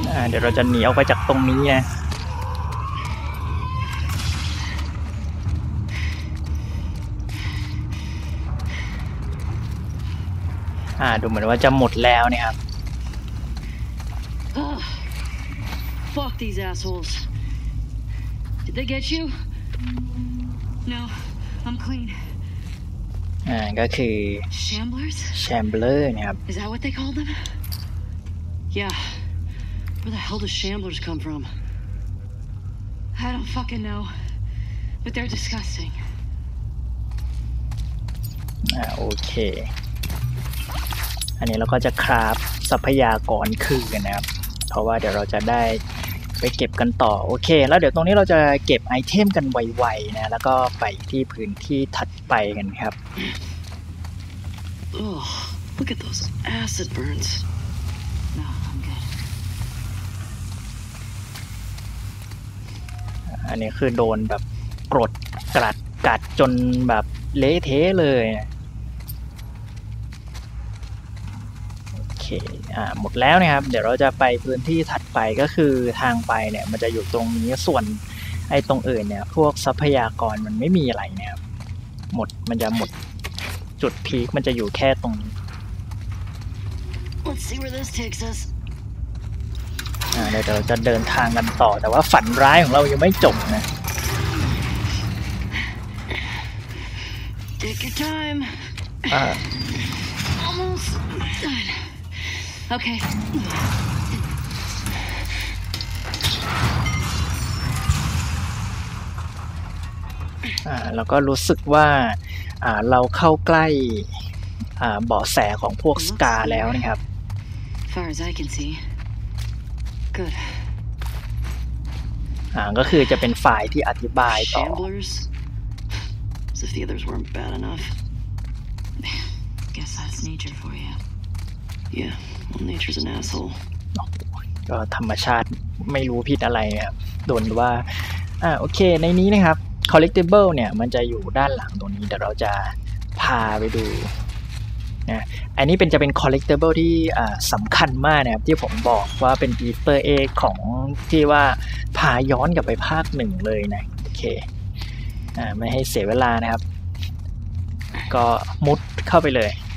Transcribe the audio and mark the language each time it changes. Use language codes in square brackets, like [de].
[th] เดี๋ยวเราจะหนีออกไปจากตรงนี้ไงดูเหมือนว่าจะหมดแล้วนะครับ [en] Fuck these assholes. Did they get you? No, I'm clean. [th] ก็คือ [en] Shamblers? [th] Shambler นะครับ [en] Is that what they called them? Yeah. Where the hell do shamblers come from? I don't fucking know, but they're disgusting. [th] โอเคอันนี้เราก็จะคราฟทรัพยากรคืนกันนะครับเพราะว่าเดี๋ยวเราจะได้ไปเก็บกันต่อโอเคแล้วเดี๋ยวตรงนี้เราจะเก็บไอเทมกันไวๆนะแล้วก็ไปที่พื้นที่ถัดไปกันครับ [en] Oh, look at those acid burns. [th] อันนี้คือโดนแบบกรดกรัดกัดจนแบบเละเทะเลยโอเคหมดแล้วนะครับเดี๋ยวเราจะไปพื้นที่ถัดไปก็คือทางไปเนี่ยมันจะอยู่ตรงนี้ส่วนไอ้ตรงอื่นเนี่ยพวกทรัพยากรมันไม่มีอะไรนะครับหมดมันจะหมดจุดพีคมันจะอยู่แค่ตรงนี้ [en] Let's see where this takes us [th] เดี๋ยวเราจะเดินทางกันต่อแต่ว่าฝันร้ายของเรายังไม่จบนะ [en] Take your time. Almost done. Okay. [th] เราก็รู้สึกว่าเราเข้าใกล้เบาะแสของพวกสกาแล้วนะครับ [en] Far as I can see [th] ก็คือจะเป็นฝ่ายที่อธิบายต่อ [en] Shamblers? As if the others weren't bad enough. Guess that's nature for you. Yeah, well, nature's an asshole. [th] ก็ธรรมชาติไม่รู้ผิดอะไรครับโดนว่าโอเคในนี้นะครับ collectible เนี่ยมันจะอยู่ด้านหลังตรงนี้เดี๋ยวเราจะพาไปดูอันนี้เป็นจะเป็นคอลเลกเตอร์เบิลที่สำคัญมากนะครับที่ผมบอกว่าเป็นอีสเตอร์เอ็กของที่ว่าพาย้อนกลับไปภาคหนึ่งเลยนะโอเคไม่ให้เสียเวลานะครับก็มุดเข้าไปเลยอ